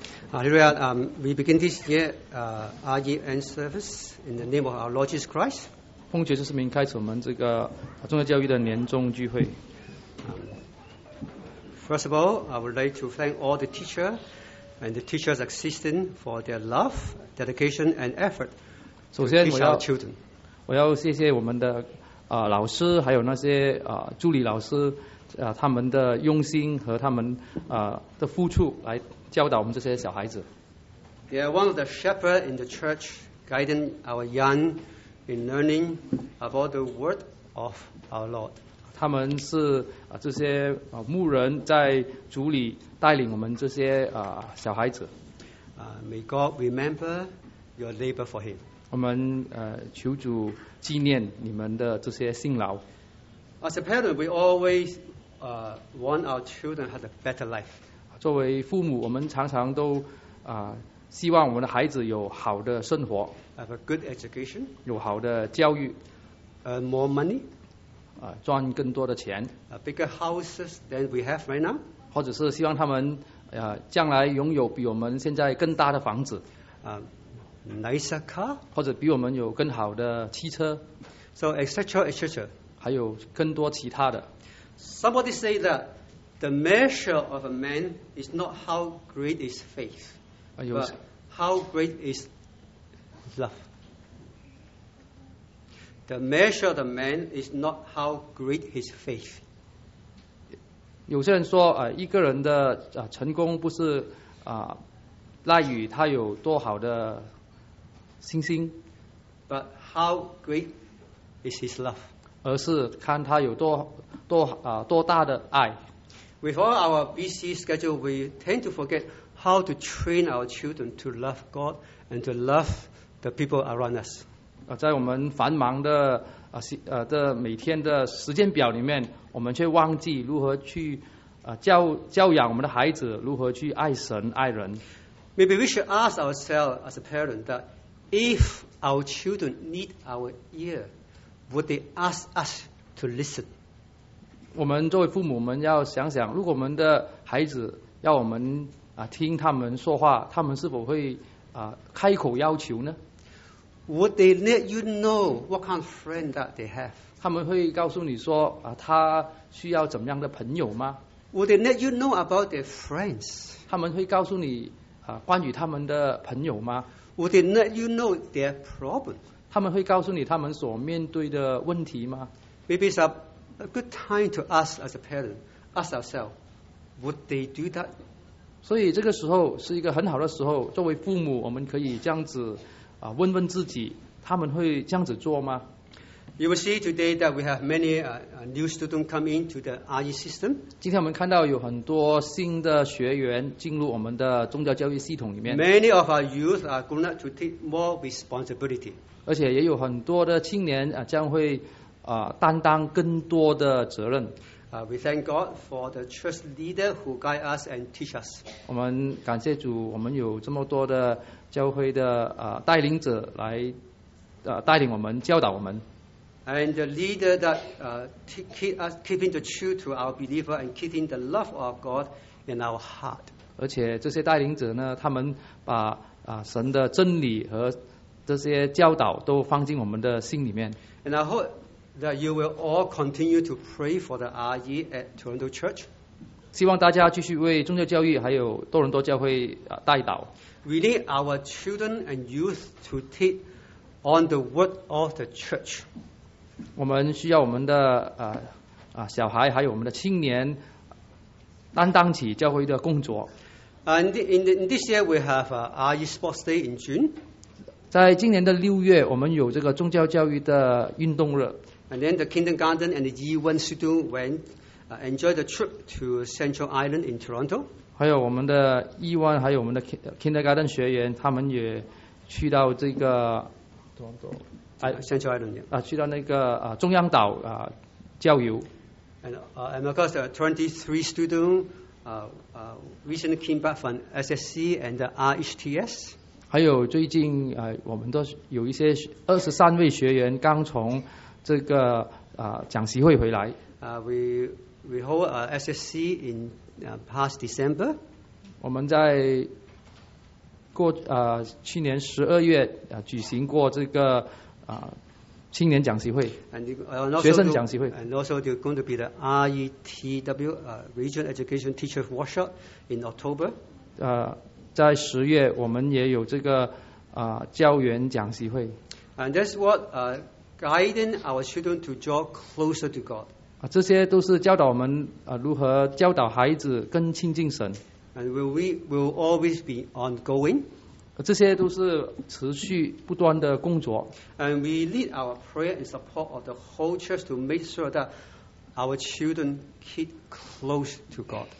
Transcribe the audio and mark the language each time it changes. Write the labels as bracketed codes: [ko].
[en] We begin this year, RGN service in the name of our Lord Jesus Christ. [zh] 奉主耶稣之名开始我们这个宗教教育的年终聚会。 [en] First of all, I would like to thank all the teachers and the teachers' assistants for their love, dedication, and effort to teach our children. [zh] 我要谢谢我们的老师，还有那些助理老师他们的用心和他们的付出来。教导我们这些小孩子。 [en] They are one of the shepherds in the church, guiding our young in learning about the word of our Lord. [zh] 他们是这些牧人在主里带领我们这些小孩子。 [en] May God remember your labor for Him. [zh] 我们求主纪念你们的这些辛劳。 [en] As a parent, we always want our children have a better life. [zh] 作为父母，我们常常都希望我们的孩子有好的生活。 [en] Have a good education. [zh] 有好的教育。 [en] More money. [zh] 赚更多的钱。 [en] Bigger houses than we have right now. [zh] 或者是希望他们将来拥有比我们现在更大的房子。 [en] Nicer car. [zh] 或者比我们有更好的汽车。 [en] So etc. etc. [zh] 还有更多其他的。 [en] Somebody say that the measure of a man is not how great is faith. But how great is love? The measure of the man is not how great his faith. [zh] 有些人说，一个人的成功不是赖于他有多好的信心 [en] ，But how great is his love? [zh] 而是看他有多大的爱。 [en] With all our busy schedule, we tend to forget. How to train our children to love God and to love the people around us. [zh] 在我们繁忙的每天的时间表里面，我们却忘记如何去教养我们的孩子，如何去爱神爱人。 [en] Maybe we should ask ourselves as a parent that if our children need our ear, would they ask us to listen? [zh] 我们作为父母，我们要想想，如果我们的孩子要我们听他们说话，他们是否会开口要求呢 [en] ？Would they let you know what kind of friend that they have？ [zh] 他们会告诉你说他需要怎么样的朋友吗 [en] ？Would they let you know about their friends？ [zh] 他们会告诉你关于他们的朋友吗 [en] ？Would they let you know their problem？ [zh] 他们会告诉你他们所面对的问题吗 [en] ？Maybe it's a good time to ask as a parent, ask ourselves, would they do that？ [zh] 所以这个时候是一个很好的时候，作为父母，我们可以这样子问问自己，他们会这样子做吗 [en] ？You will see today that we have many new students come into the RE system. [zh] 今天我们看到有很多新的学员进入我们的宗教教育系统里面。 [en] Many of our youth are going to take more responsibility. [zh] 而且也有很多的青年将会担当更多的责任。 [en] We thank God for the church leader who guide us and teach us. [zh] 我们感谢主，我们有这么多的教会的带领者来带领我们，教导我们。 [en] And the leader that keeping the truth to our believer and keeping the love of God in our heart. [zh] 而且这些带领者呢，他们把神的真理和这些教导都放进我们的心里面。 [en] And I hope. That you will all continue to pray for the RE at Toronto Church. [zh] 希望大家继续为宗教教育还有多伦多教会代祷。 [en] We need our children and youth to take on the word of the church. [zh] 我们需要我们的小孩还有我们的青年担当起教会的工作。 [en] And in this year we have a RE Sports Day in June. [zh] 在今年的六月，我们有这个宗教教育的运动日。 [en] And then the kindergarten and the E1 student went enjoy the trip to Central Island in Toronto. [zh] 还有我们的 E1 还有我们的 kindergarten 学员，他们也去到这个 [en] Toronto Central Island [zh] 去到那个中央岛郊游。 [en] And of course, the 23 student recently came back from SSC and the RHTS. [zh] 还有最近我们都有一些23位学员刚从这个讲习会回来。 [en] We hold a SSC in past December. [zh] 我们在过去年12月举行过这个青年讲习会 [en] and [zh] 学生讲习会。 [en] And also there's going to be the RETW Region Education Teacher Workshop in October. [zh] 在10月我们也有这个教员讲习会。 [en] And that's what guiding our children to draw closer to God. [zh] 这些都是教导我们如何教导孩子更亲近神。 [en] And will always be ongoing. [zh] 这些都是持续不断的工作。 [en] And we need our prayer and support of the whole church to make sure that our children keep close to God.